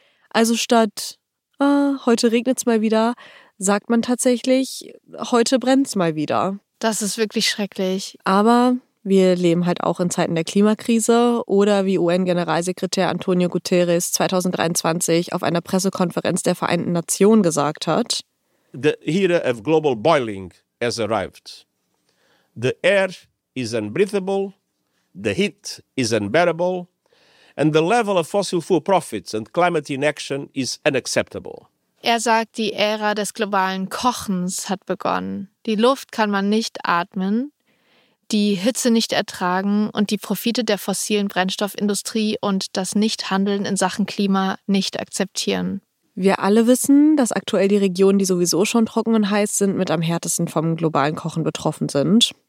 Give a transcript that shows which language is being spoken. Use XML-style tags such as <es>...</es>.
<de>Also statt, heute regnet's mal wieder, sagt man tatsächlich, heute brennt's mal wieder. Das ist wirklich schrecklich. Aber wir leben halt auch in Zeiten der Klimakrise oder wie UN-Generalsekretär Antonio Guterres 2023 auf einer Pressekonferenz der Vereinten Nationen gesagt hat.</de> <en>The era of global boiling has arrived. The air is unbreathable, the heat is unbearable, and the level of fossil fuel profits and climate inaction is unacceptable.</en> <de>Er sagt, die Ära des globalen Kochens hat begonnen. Die Luft kann man nicht atmen, die Hitze nicht ertragen und die Profite der fossilen Brennstoffindustrie und das Nichthandeln in Sachen Klima nicht akzeptieren. Wir alle wissen, dass aktuell die Regionen, die sowieso schon trocken und heiß sind, mit am härtesten vom globalen Kochen betroffen sind.</de>